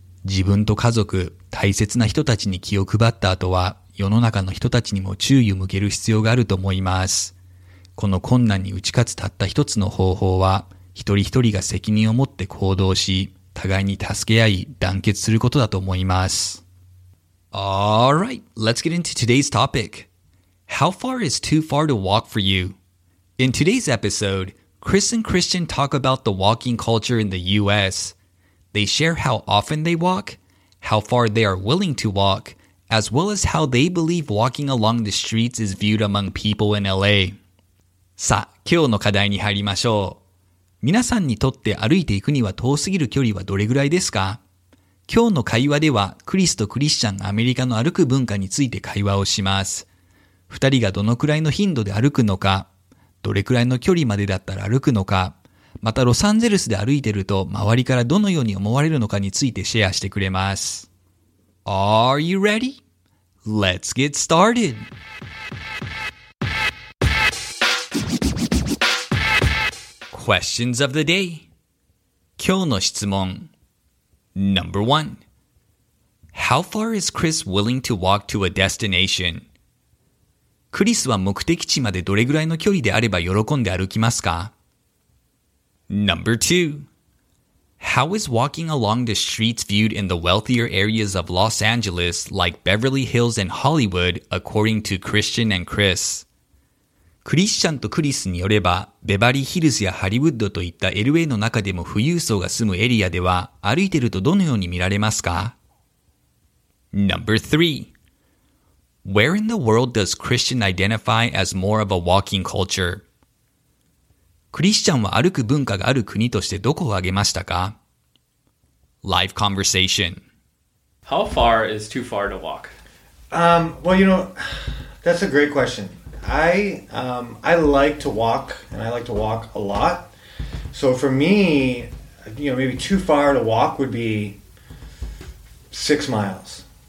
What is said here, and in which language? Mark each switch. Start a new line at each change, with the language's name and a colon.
Japanese: 自分と家族、大切な人たちに気を配った後は、世の中の人たちにも注意を向ける必要があると思います。この困難に打ち勝つたった一つの方法は、一人一人が責任を持って行動し、互いに助け合い、団結することだと思います。
English: Alright, let's get into today's topic. How far is too far to walk for you? In today's episode, Chris and Christian talk about the walking culture in the US. They share how often they walk, how far they are willing to walk, as well as how they believe walking along the streets is viewed among people in LA.
Japanese: さあ、今日の課題に入りましょう。皆さんにとって歩いていくには遠すぎる距離はどれぐらいですか？今日の会話では、クリスとクリスチャンがアメリカの歩く文化について会話をします。二人がどのくらいの頻度で歩くのか、どれくらいの距離までだったら歩くのか、またロサンゼルスで歩いてると周りからどのように思われるのかについてシェアしてくれます。
English: Are you ready? Let's get started! Questions of the day.
Japanese: 今日の質問
English: Number 1. How far is Chris willing to walk to a destination?
Japanese: クリスは目的地までどれぐらいの距離であれば喜んで歩きますか?
English: Number 2. How is walking along the streets viewed in the wealthier areas of Los Angeles like Beverly Hills and Hollywood according to Christian and Chris?
Japanese: クリスチャンとクリスによれば、ベバリーヒルズやハリウッドといった LA の中でも富裕層が住むエリアでは歩いてるとどのように見られますか?
English: Number 3. Where in the world does Christian identify as more of a walking culture?
Japanese: クリスチャンは歩く文化がある国としてどこを挙げましたか?
English: Live conversation. How far is too far to walk? Well, you know, that's a great question. I like to walk, and I like to walk a lot. So for me, you know, maybe too far to walk would be 6 miles.